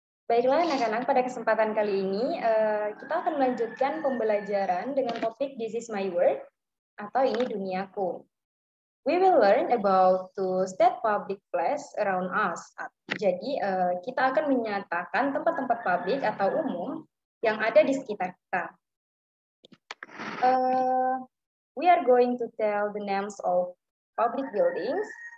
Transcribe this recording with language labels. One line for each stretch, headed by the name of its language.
Indonesian: Baiklah anak-anak, pada kesempatan kali ini kita akan melanjutkan pembelajaran dengan topik This Is My World atau Ini Duniaku.
English: We will learn about to state public place around us.
Indonesian: Jadi kita akan menyatakan tempat-tempat publik atau umum yang ada di sekitar kita.
English: We are going to tell the names of public buildings.